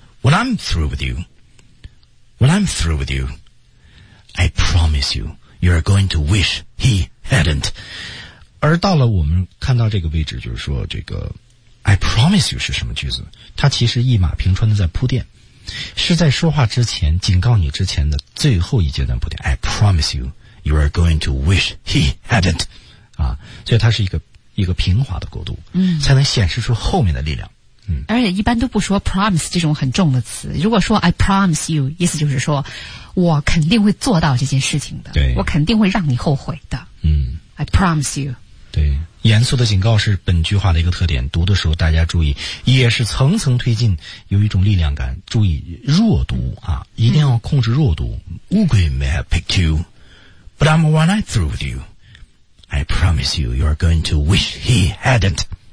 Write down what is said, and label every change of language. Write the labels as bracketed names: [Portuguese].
[English] When I'm through with you， when I'm through with you， I promise you， you're going to wish he hadn't。 [Chinese] 而到了我们看到这个位置，就是说这个。 [English] I promise you [Chinese] 是什么句子？它其实一马平川的在铺垫，是在说话之前警告你之前的最后一阶段铺垫。 [English] I promise you, you are going to wish he hadn't. [Chinese] 啊，所以它是一个平滑的过渡，嗯，才能显示出后面的力量。嗯，而且一般都不说 promise 这种很重的词。如果说 [English] I promise you， [Chinese] 意思就是说我肯定会做到这件事情的，对，我肯定会让你后悔的。嗯。 [English] I promise you. [Chinese] 对，严肃的警告是本句话的一个特点，读的时候大家注意，也是层层推进，有一种力量感，注意弱读啊，一定要控制弱读。 [English] 乌龟 may have picked you, but I'm one eye through with you. I promise you, you're going to wish he hadn't.